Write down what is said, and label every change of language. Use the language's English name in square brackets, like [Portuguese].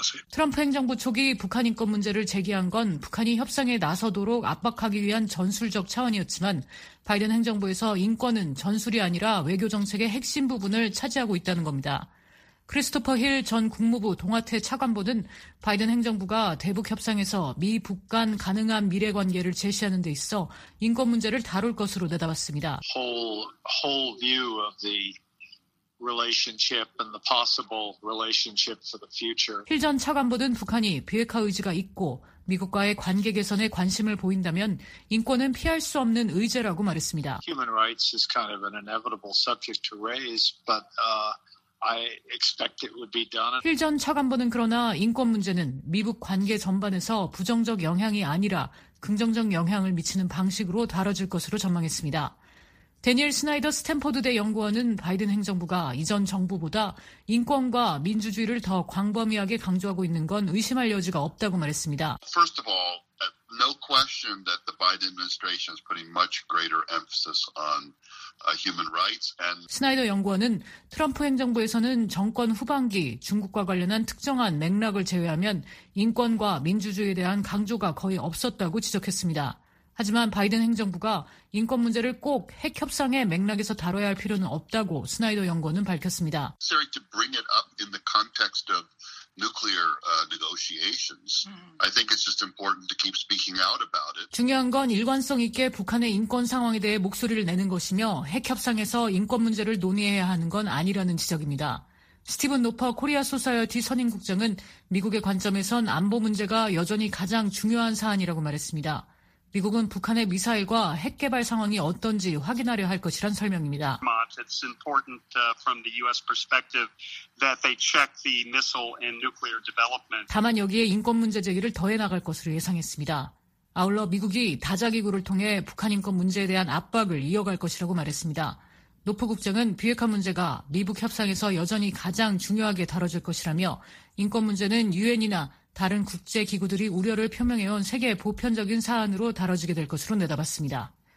[Korean] 트럼프 행정부 초기 북한 인권 문제를 제기한 건 북한이 협상에 나서도록 압박하기 위한 전술적 차원이었지만 바이든 행정부에서 인권은 전술이 아니라 외교 정책의 핵심 부분을 차지하고 있다는 겁니다. 크리스토퍼 힐 전 국무부 동아태 차관보는 바이든 행정부가 대북 협상에서 미북 간 가능한 미래 관계를 제시하는 데 있어 인권 문제를 다룰 것으로 내다봤습니다. [English] Whole view of the relationship and the possible relationship for the future. [Korean] 힐 전 차관보는 북한이 비핵화 의지가 있고 미국과의 관계 개선에 관심을 보인다면 인권은 피할 수 없는 의제라고 말했습니다. [English] Human rights is kind of an inevitable subject to raise, but I expect it would be done. [Korean] 힐 전 차관보는 그러나 인권 문제는 미북 관계 전반에서 부정적 영향이 아니라 긍정적 영향을 미치는 방식으로 다뤄질 것으로 전망했습니다. 대니엘 스나이더 스탠퍼드대 연구원은 바이든 행정부가 이전 정부보다 인권과 민주주의를 더 광범위하게 강조하고 있는 건 의심할 여지가 없다고 말했습니다. [English] First of all, no question that the Biden administration is putting much greater emphasis on human rights and [Korean] 스나이더 연구원은 트럼프 행정부에서는 정권 후반기 중국과 관련한 특정한 맥락을 제외하면 인권과 민주주의에 대한 강조가 거의 없었다고 지적했습니다. 하지만 바이든 행정부가 인권 문제를 꼭 핵 협상의 맥락에서 다뤄야 할 필요는 없다고 스나이더 연구원은 밝혔습니다. [English] Sorry to bring it up in the context of nuclear negotiations. I think it's just important to keep speaking out about it. [Korean] 중요한 건 일관성 있게 북한의 인권 상황에 대해 목소리를 내는 것이며 핵 협상에서 인권 문제를 논의해야 하는 건 아니라는 지적입니다. 스티븐 노퍼 코리아 소사이어티 선임 국장은 미국의 관점에선 안보 문제가 여전히 가장 중요한 사안이라고 말했습니다. 미국은 북한의 미사일과 핵 개발 상황이 어떤지 확인하려 할 것이란 설명입니다. [English] It's important from the U.S. perspective that they check the missile and nuclear development. [Korean] 다만 여기에 인권 문제 제기를 더해 나갈 것으로 예상했습니다. 아울러 미국이 다자기구를 통해 북한 인권 문제에 대한 압박을 이어갈 것이라고 말했습니다. 노프 국장은 비핵화 문제가 미북 협상에서 여전히 가장 중요하게 다뤄질 것이라며 인권 문제는 유엔이나 다른 국제기구들이 우려를 표명해온 세계 보편적인 사안으로 다뤄지게 될 것으로 내다봤습니다.